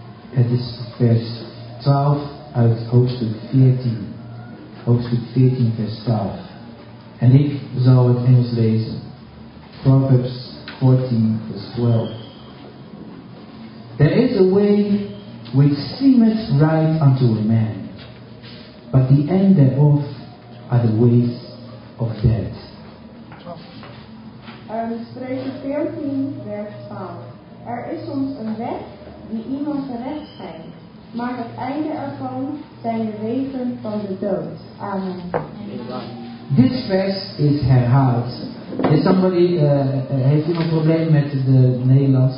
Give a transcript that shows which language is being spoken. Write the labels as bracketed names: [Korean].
[Dutch] Het is vers 12 uit hoofdstuk 14. Hoofdstuk 14, vers 12. En ik zal het Engels lezen. [English] Proverbs 14, [Dutch] vers [English] 12. There is a way which seemeth right unto a man, but the end thereof are the ways of death. [Dutch] Spreuken 14, vers 12. Er is soms een weg die iemand recht schijnt, maar het einde ervan zijn de wegen van de dood. Amen. [English] This verse is [Dutch] herhaald. [English] Is somebody, [Dutch] heeft iemand een probleem met de Nederlands?